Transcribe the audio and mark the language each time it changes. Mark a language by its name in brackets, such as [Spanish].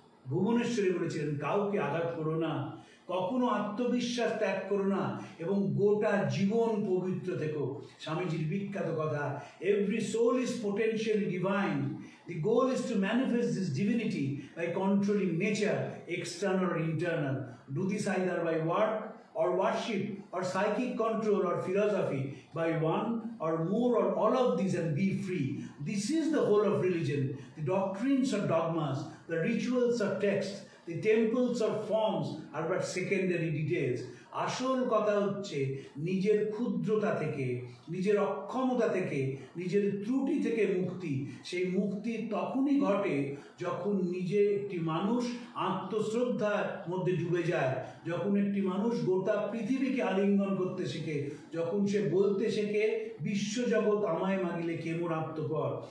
[Bangla] ভুবনেশ্বরী বলেছিলেন কাউকে আঘাত করো না, কখনো আত্মবিশ্বাস ত্যাগ করো না এবং গোটা জীবন পবিত্র থেকো। স্বামীজির বিখ্যাত কথা, [English] Every soul is potential divine, the goal is to manifest this divinity by controlling nature external internal, do this either by work or worship or psychic control or philosophy by one or more or all of these and be free. This is the whole of religion. The doctrines or dogmas, the rituals or texts, the temples or forms are but secondary details. [Bangla] আসল কথা হচ্ছে নিজের ক্ষুদ্রতা থেকে, নিজের অক্ষমতা থেকে, নিজের ত্রুটি থেকে মুক্তি। সেই মুক্তি তখনই ঘটে যখন নিজে একটি মানুষ আত্মশ্রদ্ধার মধ্যে ডুবে যায়, যখন একটি মানুষ গোটা পৃথিবীকে আলিঙ্গন করতে শেখে, যখন সে বলতে শেখে বিশ্বজগৎ আমায় মাগিলে কেমন আত্মকর।